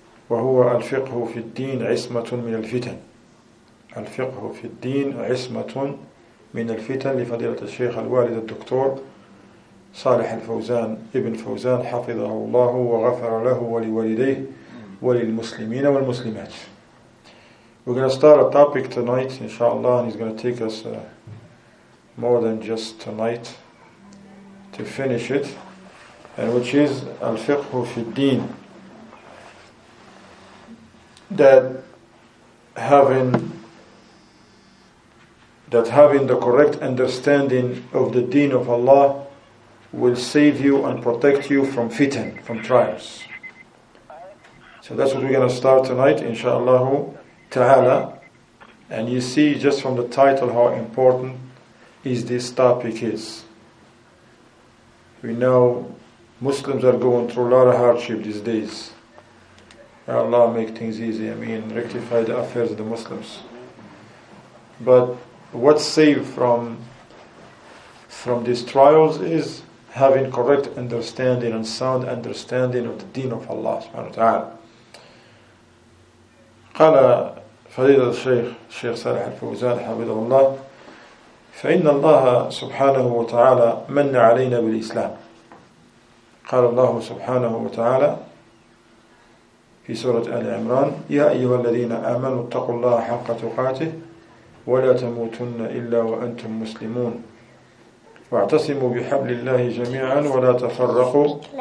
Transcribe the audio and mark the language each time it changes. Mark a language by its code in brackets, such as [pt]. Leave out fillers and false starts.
[ar] وهو الفقه في الدين عصمة من الفتن. الفقه في الدين عصمة من الفتن لفضيلة الشيخ الوالد الدكتور صالح الفوزان ابن فوزان حفظه الله وغفر له ولوالديه وللمسلمين والمسلمات. [en] We're going to start a topic tonight, inshallah, and it's going to take us more than just tonight to finish it, and which is al-fiqh fi al-din, that having the correct understanding of the deen of Allah will save you and protect you from fitan, from trials. So that's what we're going to start tonight, inshallah. Ta'ala, and you see just from the title how important is this topic is. We know Muslims are going through a lot of hardship these days. May Allah make things easy, rectify the affairs of the Muslims. But what saves from these trials is having correct understanding and sound understanding of the deen of Allah subhanahu wa ta'ala. [ar] Qala فضيلة الشيخ صالح الفوزان حفظه الله، فإن الله سبحانه وتعالى من علينا بالإسلام. قال الله سبحانه وتعالى في سورة آل عمران: يا أيها الذين آمنوا اتقوا الله حق تقاته ولا تموتن إلا وأنتم مسلمون، واعتصموا بحبل الله جميعا ولا تفرقوا.